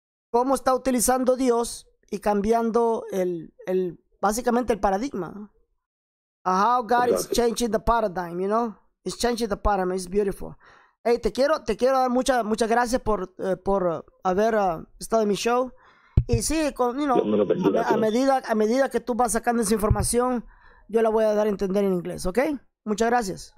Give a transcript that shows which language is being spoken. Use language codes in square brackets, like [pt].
[es] ¿Cómo está utilizando Dios y cambiando el básicamente el paradigma? [en] How God is changing the paradigm, you know? It's changing the paradigm. It's beautiful. [es] Hey, te quiero dar muchas gracias por haber estado en mi show. Y sí, a medida que tú vas sacando esa información, yo la voy a dar a entender en inglés, ¿ok? Muchas gracias.